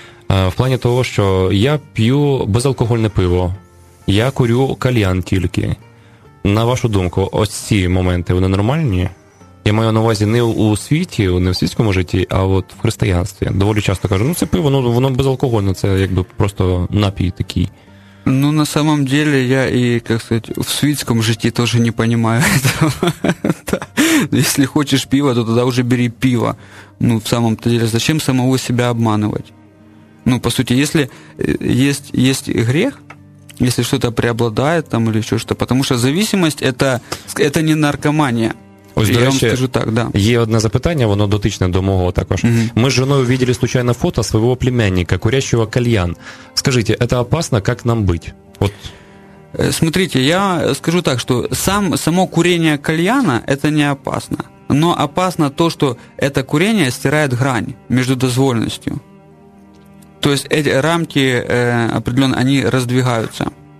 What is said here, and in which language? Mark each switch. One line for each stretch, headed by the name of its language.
Ukrainian: В плані того, що я п'ю безалкогольне пиво, я курю кальян тільки. На вашу думку, ось ці моменти, вони нормальні? Я маю на увазі не у світі, не в світському житті, а от в християнстві. Доволі часто кажу, ну це пиво, ну воно безалкогольне, це якби просто напій такий.
Russian: Ну, на самом деле, я и, как сказать, в свитском житті тоже не понимаю этого. Если хочешь пива, то тогда уже бери пиво. Ну, в самом-то деле, зачем самого себя обманывать? Ну, по сути, если есть грех, если что-то преобладает там или еще что-то, потому что зависимость – это не наркомания.
Ukrainian: Ось, я до речі, вам скажу так, да. Є одне запитання, воно дотичне до мого також. Угу. Ми з женою виділи
Russian: случайно фото своего племянника, курящего кальян. Скажите, это опасно, как нам быть? Вот. Смотрите, я скажу так, что само курение кальяна – это не опасно. Но опасно то, что это курение стирает грань между дозволенностью. То есть эти рамки определенно они раздвигаются.